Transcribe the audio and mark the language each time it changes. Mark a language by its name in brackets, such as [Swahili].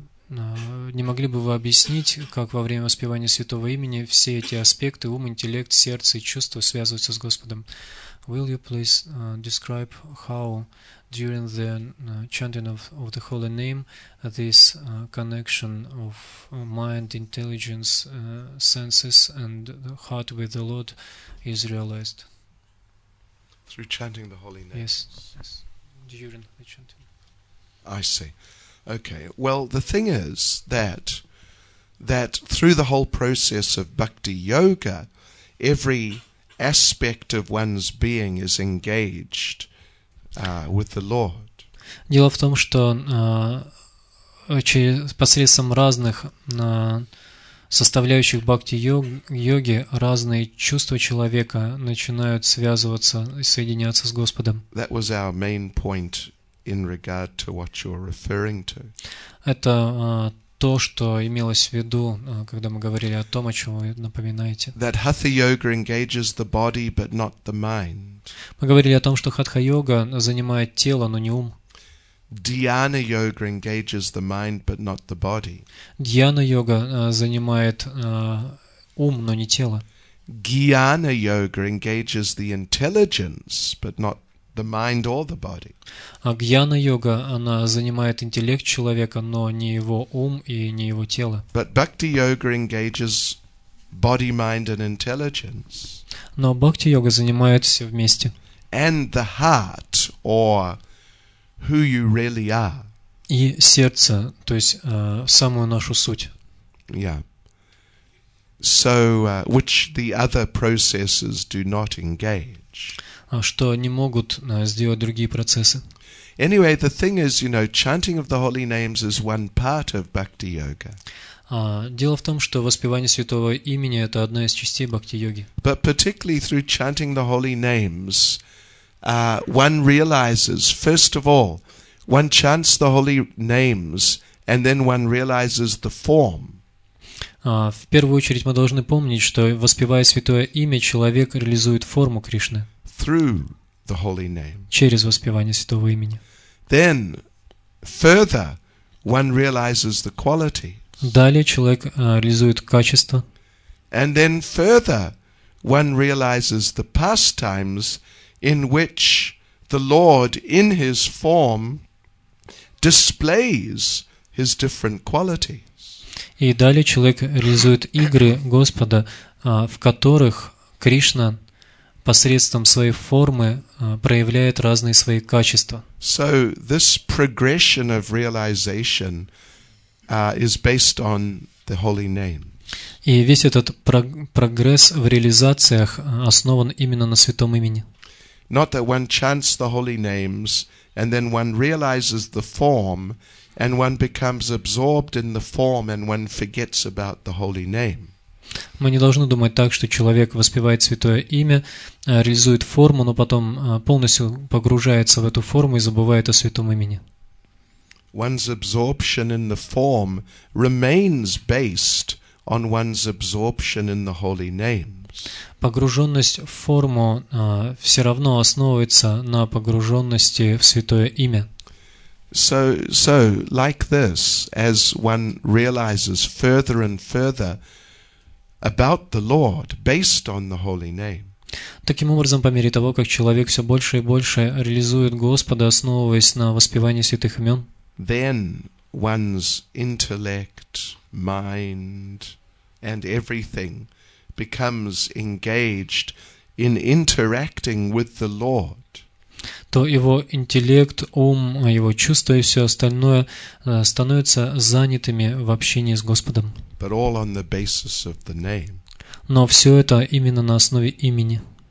[Russian] Не могли бы вы объяснить, как во время воспевания святого имени все эти аспекты, ум, интеллект, сердце и чувства связываются с Господом? [English] Will you please describe how during the chanting of the holy name this connection of mind, intelligence, senses and heart with the Lord is realized? Through chanting the holy name? Yes, during the chanting. I see. Okay, well, the thing is that through the whole process of bhakti yoga, every aspect of one's being is engaged with the Lord. [Russian] Дело в том, что посредством разных составляющих бхакти йоги разные чувства человека начинают связываться и соединяться с Господом. [English] That was our main point in regard to what you're referring to. [Russian] Это то, что имелось в виду, когда мы говорили о том, о чем вы напоминаете. [English] That hatha yoga engages the body, but not the mind. [Russian] Мы говорили о том, что хатха йога занимает тело, но не ум. [English] Dhyana yoga engages the mind, but not the body. [Russian] Dhyana йога занимает ум, но не тело. [English] Gyana yoga engages the intelligence, but not the mind or the body. [Russian] А гьяна йога она занимает интеллект человека, но не его ум и не его тело. [English] But bhakti yoga engages body, mind and intelligence. [Russian] Но бхакти йога занимает все вместе. [English] And the heart or who you really are. [Russian] И сердце, то есть самую нашу суть. [English] Yeah. So which the other processes do not engage. [Russian] Что не могут сделать другие процессы. [English] Anyway, the thing is, you know, chanting of the holy names is one part of bhakti yoga. [Russian] Дело в том, что воспевание святого имени это одна из частей бхакти йоги. [English] But particularly through chanting the holy names, one realizes, first of all, one chants the holy names, and then one realizes the form. [Russian] В первую очередь мы должны помнить, что воспевая святое имя, человек реализует форму Кришны. [English] Through the holy name. [Russian] Через воспевание святого имени. [English] Then, further, one realizes the qualities. [Russian] Далее человек реализует качества. [English] And then further, one realizes the pastimes in which the Lord, in His form, displays His different qualities. [Russian] И далее человек реализует игры Господа, в которых Кришна посредством своей формы проявляет разные свои качества. [English] So this progression of realization is based on the holy name. [Russian] И весь этот прогресс в реализациях основан именно на святом имени. [English] Not that one chants the holy names and then one realizes the form and one becomes absorbed in the form and one forgets about the holy name. [Russian] Мы не должны думать так, что человек воспевает святое имя, реализует форму, но потом полностью погружается в эту форму и забывает о святом имени. [English] One's absorption in the form remains based on one's absorption in the holy names. [Russian] Погруженность в форму все равно основывается на погруженности в святое имя. [English] So, like this, as one realizes further and further about the Lord, based on the holy name. [Russian] Таким образом, по мере того, как человек все больше и больше реализует Господа, основываясь на воспевании святых имен, [English] then one's intellect, mind, and everything becomes engaged in interacting with the Lord, [Russian] то его интеллект, ум, его чувства и все остальное становятся занятыми в общении с Господом. [English] But all on the basis of the name. [Russian] Но все это именно на основе имени.